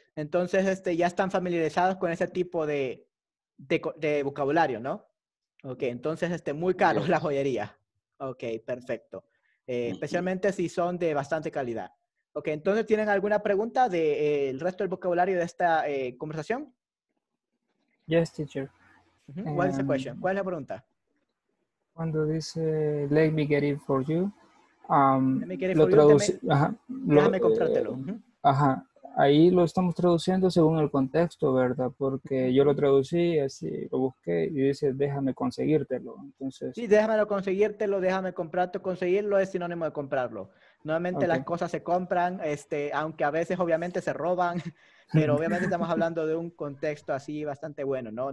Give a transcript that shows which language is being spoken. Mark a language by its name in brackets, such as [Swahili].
[Spanish] Entonces, ya están familiarizados con ese tipo de vocabulario, ¿no? Okay, entonces, muy caro yes. La joyería. Okay, perfecto. Especialmente si son de bastante calidad. Okay, entonces, ¿tienen alguna pregunta de el resto del vocabulario de esta conversación? [English] Yes, teacher. Uh-huh. What is the question? [Spanish] ¿Cuál es la pregunta? Cuando dice, [English] let me get it for you. [Spanish] Lo traduce, déjame comprártelo. Uh-huh. Ajá, ahí lo estamos traduciendo según el contexto, ¿verdad? Porque yo lo traducí así, lo busqué y dice, déjame conseguírtelo. Entonces, sí, déjamelo conseguírtelo, déjame comprarte, conseguirlo es sinónimo de comprarlo. Normalmente okay. Las cosas se compran, aunque a veces obviamente se roban, pero obviamente estamos hablando de un contexto así bastante bueno, ¿no?